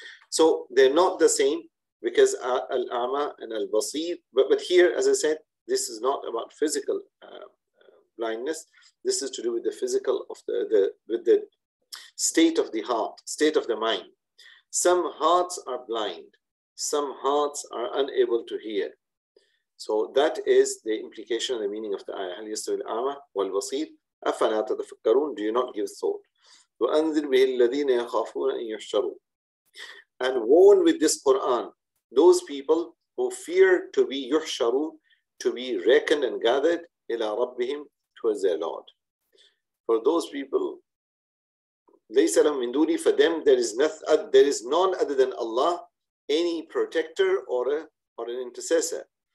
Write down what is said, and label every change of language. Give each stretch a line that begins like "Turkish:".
English: So they're not the same, because al-a'ma and al-basir, but here, as I said, this is not about physical blindness. This is to do with the physical of the state of the heart, state of the mind. Some hearts are blind, some hearts are unable to hear. So that is the implication of the meaning of the ayah.
Arabic: هَلْ يَسْتَوِي الْأَعْمَى وَالْبَصِيرُ أَفَلَا تَتَفَكَّرُونَ
English: Do you not give thought?
Arabic: وَأَنذِرْ بِهِ الَّذِينَ يَخَافُونَ أَن يُحْشَرُوا
English: And warn with this Quran those people who fear to be yuhsharu, to be reckoned and gathered
Arabic: إِلَى رَبِّهِمْ
English: towards their Lord. For those people,
Arabic: لَيْسَ لَهُمْ مِنْ دُونِي
English: For them, there is none other than Allah, any protector or an intercessor.